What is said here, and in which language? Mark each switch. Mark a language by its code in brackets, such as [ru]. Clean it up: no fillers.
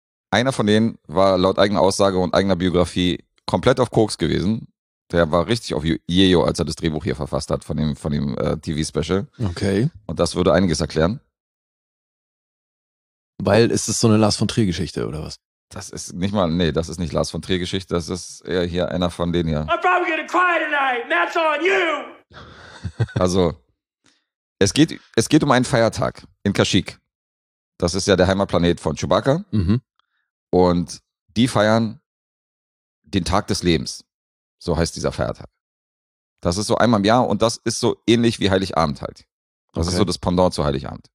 [de] Einer von denen war laut eigener Aussage und eigener Biografie komplett auf Koks gewesen. Der war richtig auf Yeo, als er das Drehbuch hier verfasst hat von dem TV-Special. Okay. Und das würde einiges erklären. Weil ist es so eine Lars von Trier-Geschichte oder was? Das ist nicht Lars von Trier-Geschichte. Das ist eher hier einer von denen hier. [en] I'm probably gonna cry tonight, and that's on you. [de] Also es geht um einen Feiertag in Kashyyyk. Das ist ja der Heimatplanet von Chewbacca. Mhm. Und die feiern den Tag des Lebens. So heißt dieser Feiertag. Das ist so einmal im Jahr und das ist so ähnlich wie Heiligabend halt. Das ist so das Pendant zu Heiligabend.